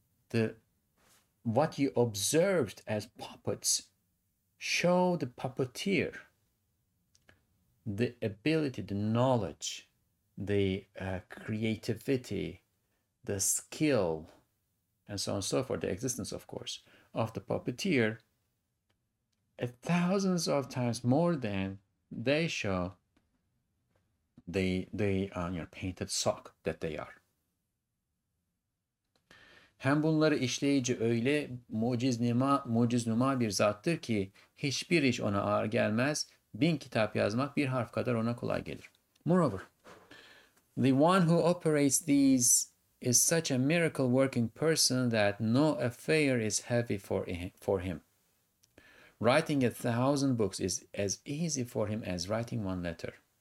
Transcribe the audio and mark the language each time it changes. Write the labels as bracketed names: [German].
[English] The what you observed as puppets show the puppeteer the ability, the knowledge, the creativity, the skill, and so on and so forth, the existence, of course, of the puppeteer, thousands of times more than they show the on your painted sock that they are. [Turkish] Hem bunları işleyici öyle mucizenuma bir zattır ki hiçbir iş ona ağır gelmez. Bin kitap yazmak bir harf kadar ona kolay gelir. [English] Moreover, the one who operates these is such a miracle working person that no affair is heavy for him. Writing 1,000 books is as easy for him as writing one letter.